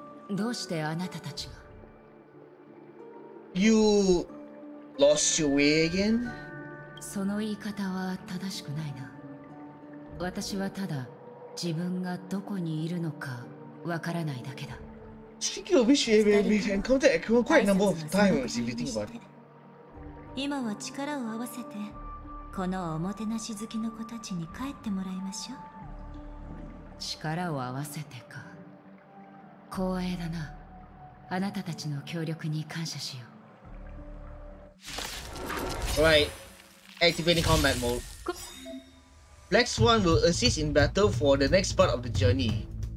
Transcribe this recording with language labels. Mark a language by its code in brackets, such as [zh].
[ja] どうしてあなたたちが？ [en] You lost your way again? [ja] その言い方は正しくないな。私はただ自分がどこにいるのかわからないだけだ。 [en] Speaking of which, we can come to Ekron quite a number of times if you think about it. [ja] 今は力を合わせてこのおもてなし好きの子たちに帰ってもらいましょう。力を合わせてか。光栄だな。あなたたちの協力に感謝しよう。 [en] Right. Activating combat mode. Next one will assist in battle for the next part of the journey.